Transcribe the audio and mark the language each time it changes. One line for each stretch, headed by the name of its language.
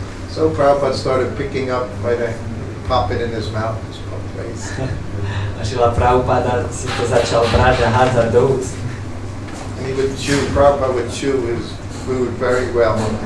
English: So Prabhupada started picking up by the pop it in his mouth.
Slovak: A Šila Prabhupada si to začal brať a hádzať do úst.
English: And he would chew, Prabhupada would chew his food very well.